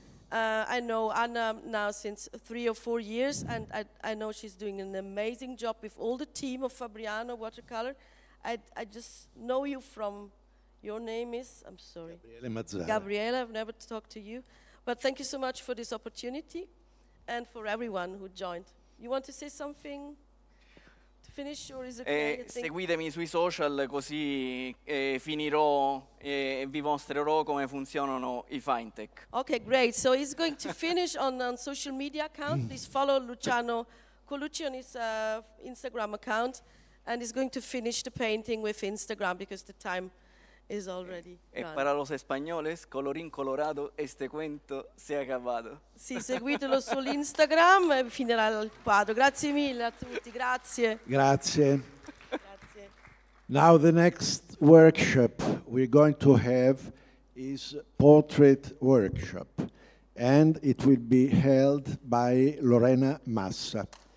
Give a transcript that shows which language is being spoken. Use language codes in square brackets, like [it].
[en] I know Anna now since 3 or 4 years, and I know she's doing an amazing job with all the team of Fabriano Watercolor. I just know you from, your name is, I'm sorry. Gabriele Mazzara. Gabriele, I've never talked to you. But thank you so much for this opportunity and for everyone who joined. You want to say something? Finish, or is it okay, [it] seguitemi sui social, così finirò e vi mostrerò come funzionano i fintech. [en] Okay, great. So he's going to finish on social media account. Please follow Luciano Colucci on his Instagram account, and he's going to finish the painting with Instagram because the time is already gone. [es] E para los españoles, colorín colorado, este cuento se ha acabado. [it] Sì, seguitelo su Instagram e finirà il quadro. Grazie mille a tutti, grazie. Grazie. Grazie. [en] Now the next workshop we're going to have is portrait workshop, and it will be held by Lorena Massa.